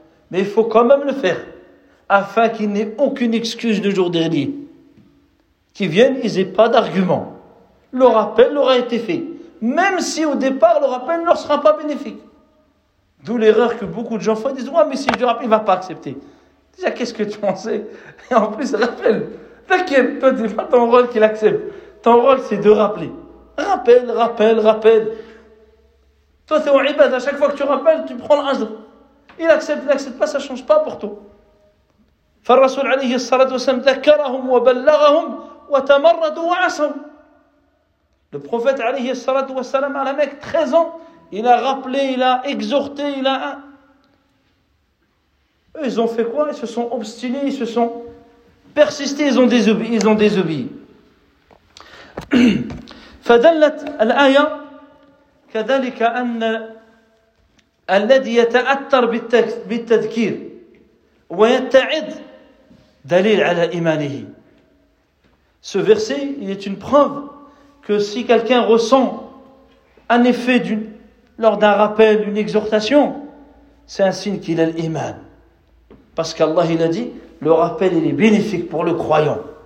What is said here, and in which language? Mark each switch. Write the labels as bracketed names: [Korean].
[French] Mais il faut quand même le faire, afin qu'ils n'aient aucune excuse le jour dernier. Qu'ils viennent, ils n'aient pas d'argument. Le rappel leur a été fait, même si au départ le rappel ne leur sera pas bénéfique. D'où l'erreur que beaucoup de gens font, ils disent, ouais, mais si je le rappelle, il ne va pas accepter. Déjà, qu'est-ce que tu pensais? Et en plus, rappelle, t'inquiète, toi, c'est pas ton rôle qu'il accepte. Ton rôle, c'est de rappeler. Rappelle, rappelle, rappelle. Toi, c'est un ibad, à chaque fois que tu rappelles, tu prends l'ajr. Il accepte pas, ça ne change pas pour toi. [Arabic] فالرسول عليه الصلاة والسلام ذكرهم وبلغهم وتمردوا وعصوا. [French] Le prophète [Arabic] عليه الصلاة والسلام [French] à la Mecque, 13 ans, il a rappelé, il a exhorté, il a... Eux, ils ont fait quoi? Ils se sont obstinés, ils se sont persistés, ils ont désobéi. [Arabic] فدلت الآية كذلك أن الذي يتأثر بالتذكير ويتعد دليل على إيمانه. [French] Ce verset, il est une preuve que si quelqu'un ressent un effet d'une, lors d'un rappel, une exhortation, c'est un signe qu'il a l'iman. Parce qu'Allah, il a dit, le rappel, il est bénéfique pour le croyant.